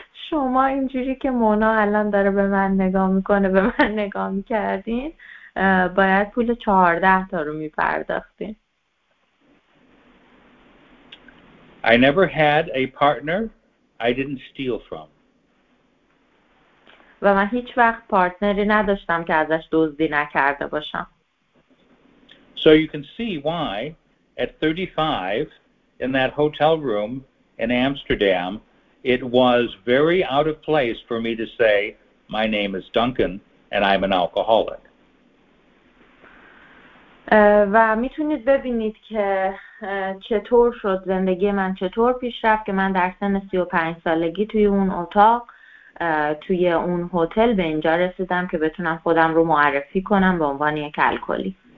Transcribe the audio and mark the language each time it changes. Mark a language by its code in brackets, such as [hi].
[fa] شما اینجوری که مونا الان داره به من نگاه میکنه به من نگاه میکردین، باید پول 14 تا رو میپرداختین. [en] I never had a partner I didn't steal from. [fa] و من هیچ وقت پارتنری نداشتم که ازش دزدی نکرده باشم. [en] So you can see why at 35 in that hotel room in Amsterdam it was very out of place for me to say my name is Duncan and I'm an alcoholic. [fa] و میتونید ببینید که چطور شد زندگی من چطور پیش رفت که من در سن 35 سالگی توی اون اتاق توی اون هتل به اینجا رسیدم که بتونم خودم رو معرفی کنم به عنوان یک الکلی.